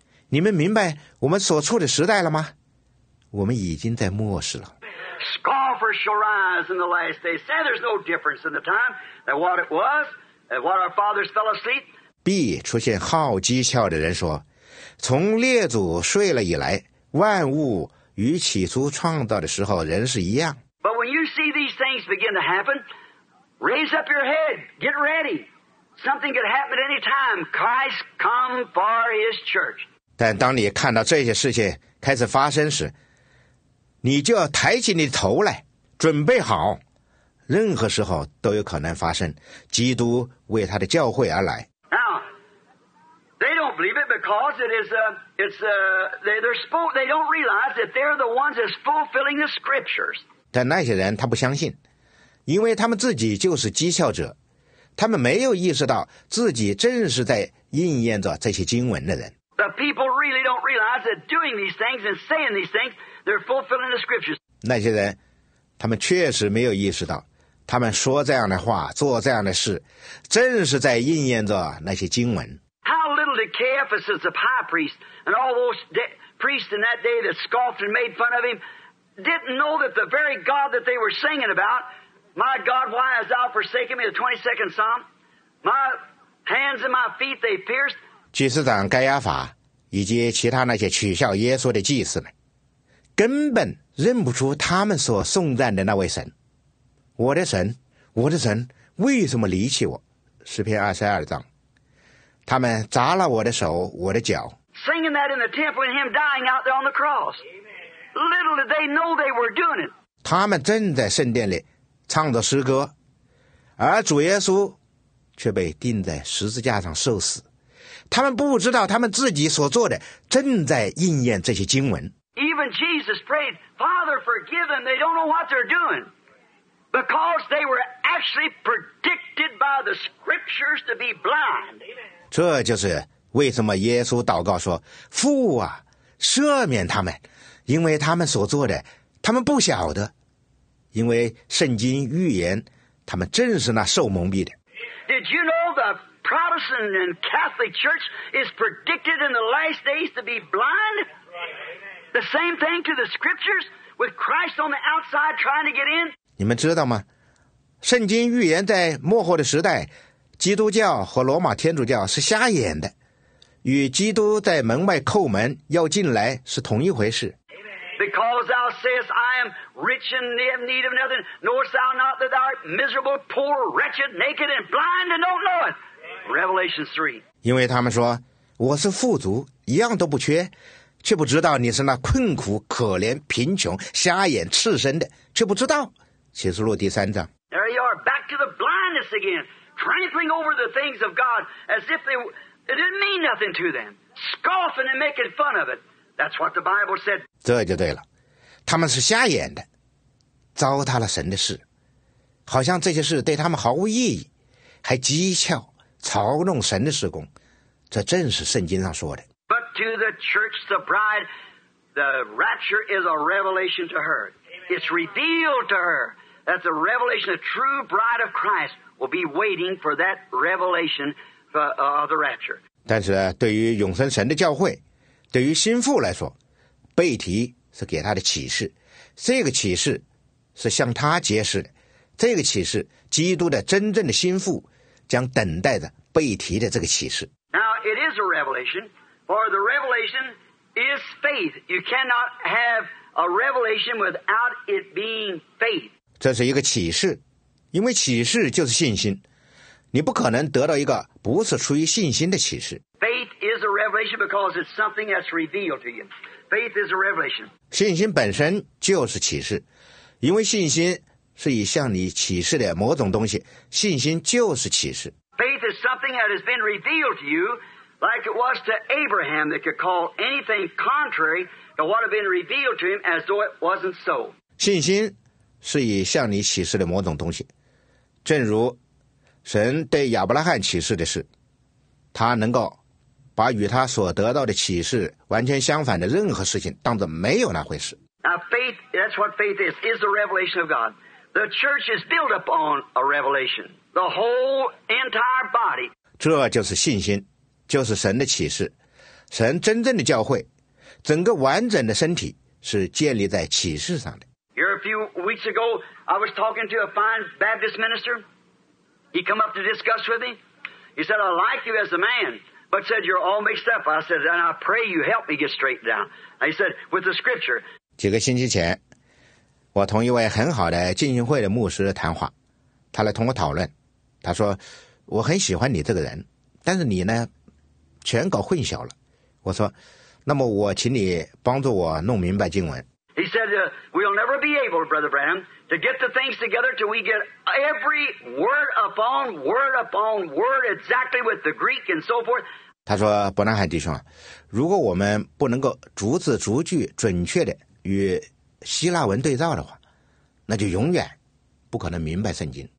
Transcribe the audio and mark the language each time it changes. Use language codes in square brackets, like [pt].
[zh] 你们明白我们所处的时代了吗？我们已经在末世了。 [en] Scoffers shall rise in the last day, say there's no difference in the time than what it was, and what our fathers fell asleep. [zh] 必出现好讥诮的人说，从列祖睡了以来，万物与起初创造的时候仍是一样。 [en] But when you see these things begin to happen, raise up your head, get ready. Something could happen at any time. Christ come for his church. [zh] 但当你看到这些事情开始发生时，你就要抬起你的头来，准备好，任何时候都有可能发生。基督为他的教会而来。 [en] Now, they don't believe it because it is they don't realize that they're the ones that's fulfilling the scriptures. [zh] 但那些人他不相信，因为他们自己就是讥诮者，他们没有意识到自己正是在应验着这些经文的人。 [en] The people really don't realize that doing these things and saying these things. They're fulfilling the scriptures. [zh] 那些人，他们确实没有意识到，他们说这样的话，做这样的事，正是在应验着那些经文。 [en] How little did Caiaphas, the high priest, and all those priests in that day that scoffed and made fun of him, didn't know that the very God that they were singing about, my God, why hast thou forsaken me, the 22nd Psalm, my hands and my feet they pierced. [zh] 祭司长盖亚法以及其他那些取笑耶稣的祭司们根本认不出他们所颂赞的那位神。我的神，我的神，为什么离弃我？诗篇22章。他们砸了我的手，我的脚。 [en] Singing that in the temple and him dying out there on the cross. Little did they know they were doing it. [zh] 他们正在圣殿里唱着诗歌，而主耶稣却被钉在十字架上受死。他们不知道他们自己所做的正在应验这些经文。 [en] Even when Jesus prayed, Father, forgive them, they don't know what they're doing. Because they were actually predicted by the scriptures to be blind. [zh] 这就是为什么耶稣祷告说，父啊，赦免他们，因为他们所做的，他们不晓得。因为圣经预言，他们正是那受蒙蔽的。 [en] Did you know the Protestant and Catholic Church is predicted in the last days to be blind? The same thing to the scriptures with Christ on the outside trying to get in? [zh] 你们知道吗？圣经预言在末后的时代，基督教和罗马天主教是瞎眼的，与基督在门外叩门要进来是同一回事。 [en] Because thou sayest, I am rich and in need of nothing, knowest thou not that thou art miserable, poor, wretched, naked, and blind, and don't know it. Revelation 3. [zh] 因为他们说，我是富足，一样都不缺，却不知道你是那困苦、可怜、贫穷、瞎眼、赤身的，却不知道。启示录第三章。 [en] There you are, back to the blindness again, trampling over the things of God as if they didn't mean nothing to them, scoffing and making fun of it. That's what the Bible said. [zh] 这就对了，他们是瞎眼的，糟蹋了神的事，好像这些事对他们毫无意义，还讥诮、嘲弄神的事工，这正是圣经上说的。 [en] But to the church, the bride, the rapture is a revelation to her. It's revealed to her that the revelation, the true bride of Christ, will be waiting for that revelation of the rapture. [zh] 但是对于永生神的教会，对于心腹来说，背提是给他的启示，这个启示是向他揭示的，这个启示基督的真正的心腹将等待着背提的这个启示。 [en] Now it is a revelation, for the revelation is faith. You cannot have a revelation without it being faith. [zh] 这是一个启示，因为启示就是信心，你不可能得到一个不是出于信心的启示。 [en] Faith is a revelation because it's something that's revealed to you. Faith is a revelation. [zh] 信心本身就是启示，因为信心是以向你启示的某种东西，信心就是启示。 [en] Faith is something that has been revealed to you, like it was to Abraham that could call anything contrary to what had been revealed to him as though it wasn't so. [zh] 信心是以向你启示的某种东西，正如神对亚伯拉罕启示的事，他能够把与他所得到的启示完全相反的任何事情当作没有那回事。 [en] Now faith, that's what faith is a revelation of God. The church is built upon a revelation. The whole entire body. [zh] 这就是信心，就是神的启示。神真正的教会，整个完整的身体是建立在启示上的。 [en] Here a few weeks ago, I was talking to a fine Baptist minister. He came up to discuss with me. He said, I like you as a man. But said, you're all mixed up. I said, and I pray you help me get straightened down. I said, with the scripture. [zh] 几个星期前，我同一位很好的浸信会的牧师谈话，他来同我讨论。他说，我很喜欢你这个人，但是你呢，全搞混淆了。我说，那么我请你帮助我弄明白经文。 [en] He said, we'll never be able, Brother Branham, to get the things together till we get every word upon word upon word exactly with the Greek and so forth. [zh] 他说，伯南海弟兄，如果我们不能够逐字逐句准确的与希腊文对照的话，那就永远不可能明白圣经。